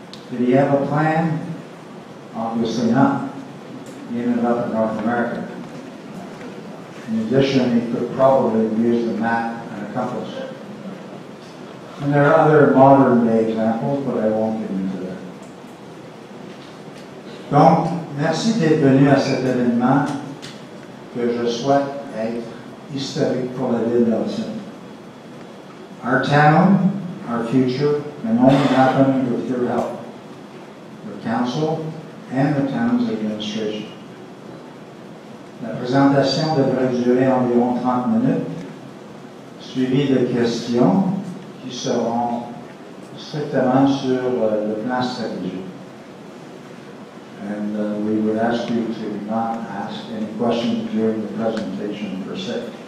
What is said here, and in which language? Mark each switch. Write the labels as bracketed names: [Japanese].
[English] Did he have a plan? Obviously not. He ended up in North America. In addition, he could probably use the map and a compass. And there are other modern-day examples, but I won't get into that. [French] Donc, merci d'être venu à cet événement que je souhaite être historique pour la ville d'Hudson. [English] Our town, our future, can only happen with your help, your council, and the town's administration. [French] La présentation devrait durer environ 30 minutes, suivie de questions qui seront strictement sur le plan stratégique. [English] And we would ask you to not ask any questions during the presentation per se.